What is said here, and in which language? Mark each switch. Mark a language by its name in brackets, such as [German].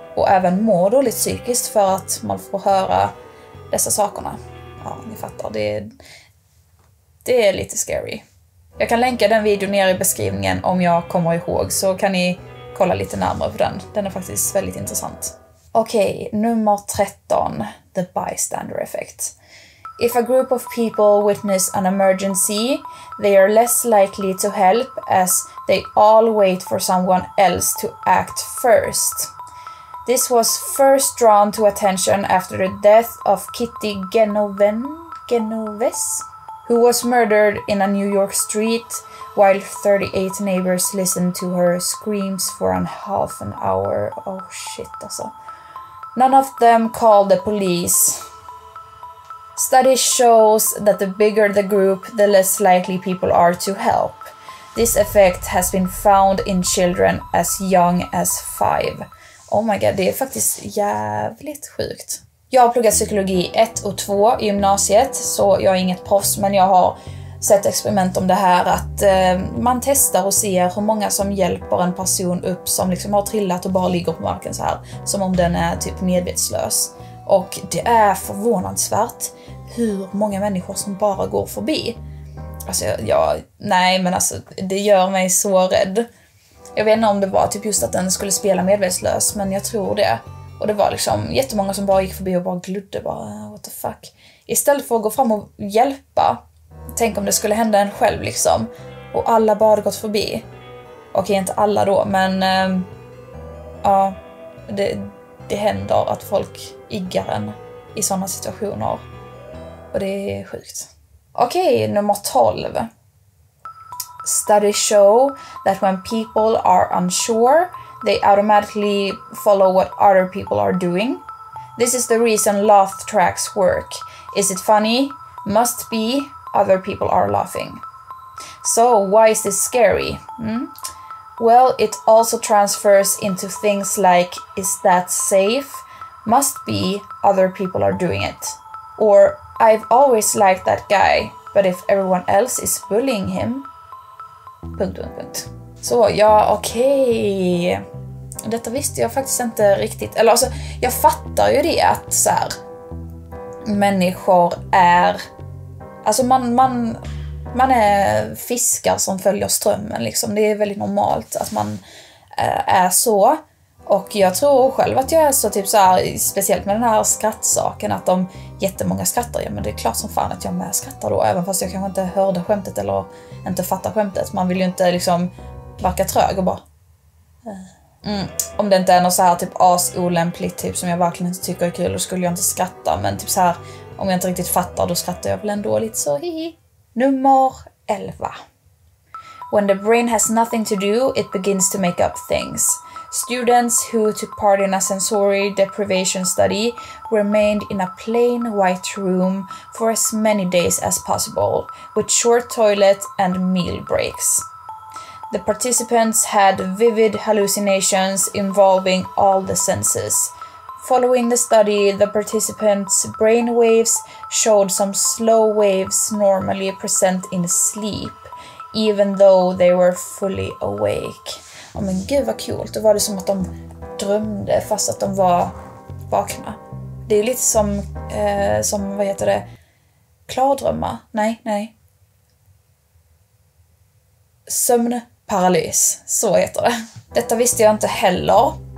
[Swedish] Och även må dåligt psykiskt för att man får höra dessa sakerna. Ja, ni fattar. Det är lite scary. Jag kan länka den videon ner i beskrivningen om jag kommer ihåg. Så kan ni kolla lite närmare på den. Den är faktiskt väldigt intressant. Okej, nummer 13. [English] The bystander effect. If a group of people witness an emergency, they are less likely to help as they all wait for someone else to act first. This was first drawn to attention after the death of Kitty Genovese, who was murdered in a New York street while 38 neighbors listened to her screams for a half an hour. Oh shit, [Swedish] alltså. [English] None of them called the police. Study shows that the bigger the group, the less likely people are to help. This effect has been found in children as young as 5. Oh my god, [Swedish] det är faktiskt jävligt sjukt. Jag har pluggat psykologi 1 och 2 i gymnasiet, så jag är inget proffs, men jag har sett experiment om det här att man testar och ser hur många som hjälper en person upp som liksom har trillat och bara ligger på marken så här, som om den är typ medvetslös. Och det är förvånansvärt hur många människor som bara går förbi. Alltså jag, det gör mig så rädd. Jag vet inte om det var typ just att den skulle spela medvetslös, men jag tror det. Och det var liksom jättemånga som bara gick förbi och bara glodde, bara [English] what the fuck. [Swedish] Istället för att gå fram och hjälpa, tänk om det skulle hända en själv liksom. Och alla bara hade gått förbi. Okej, inte alla då, men ja, det händer att folk iggar en i sådana situationer. Och det är sjukt. Okej, nummer 12. [English] Studies show that when people are unsure, they automatically follow what other people are doing. This is the reason laugh tracks work. Is it funny? Must be. Other people are laughing. So, why is this scary? Well, it also transfers into things like, is that safe? Must be. Other people are doing it. Or, I've always liked that guy, but if everyone else is bullying him... [Swedish] Punkt, punkt, punkt. Så, ja, okej. Detta visste jag faktiskt inte riktigt. Eller alltså, jag fattar ju det att så här, människor är... Alltså man är fiskar som följer strömmen liksom. Det är väldigt normalt att man är så. Och jag tror själv att jag är så typ så här, speciellt med den här skrattsaken, att de jättemånga skrattar. Ja, men det är klart som fan att jag med skrattar då, även fast jag kanske inte hörde skämtet eller inte fattar skämtet. Man vill ju inte liksom verka trög och bara... Om det inte är något så här typ asolämpligt typ som jag verkligen inte tycker är kul, då skulle jag inte skratta. Men typ så här, om jag inte riktigt fattar, då skrattar jag väl ändå lite så hihi. Nummer 11. [English] When the brain has nothing to do, it begins to make up things. Students who took part in a sensory deprivation study remained in a plain white room for as many days as possible, with short toilet and meal breaks. The participants had vivid hallucinations involving all the senses. Following the study, the participants' brain waves showed some slow waves normally present in sleep, even though they were fully awake. [Swedish] Oh, men gud vad coolt, då var det som att de drömde fast att de var vakna. Det är lite som vad heter det, klardrömmar? Nej. Sömnparalys, så heter det. Detta visste jag inte heller.